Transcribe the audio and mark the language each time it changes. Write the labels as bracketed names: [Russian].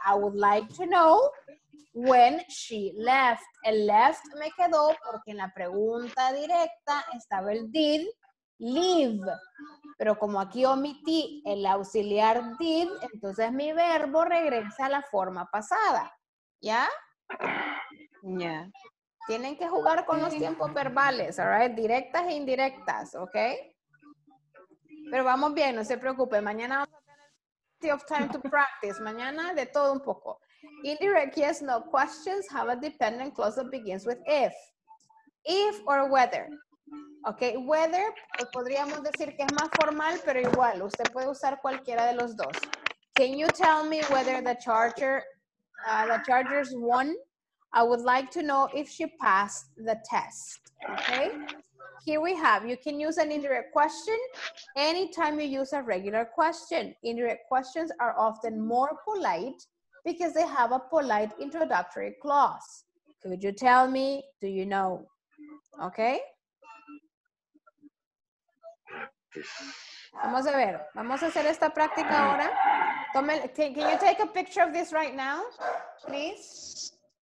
[English] I would like to know when she left. [Spanish] El left me quedó porque en la pregunta directa estaba el did leave. Pero como aquí omití el auxiliar did, entonces mi verbo regresa a la forma pasada. ¿Ya? Ya. Yeah. Tienen que jugar con los tiempos verbales, [English] all right? [Spanish] Directas e indirectas, ¿ok? Pero vamos bien, no se preocupe. Mañana vamos a tener [English] plenty of time to practice. [Spanish] Mañana de todo un poco. [English] Indirect yes, no questions have a dependent clause that begins with if. If or whether. [Spanish] Ok, whether, pues podríamos decir que es más formal, pero igual, usted puede usar cualquiera de los dos. [English] Can you tell me whether the Chargers won? I would like to know if she passed the test. Ok, here we have, you can use an indirect question anytime you use a regular question. Indirect questions are often more polite because they have a polite introductory clause. Could you tell me? Do you know? Ok. [Spanish] Vamos a ver, vamos a hacer esta práctica ahora. [English] Can you take a picture of this right now, please?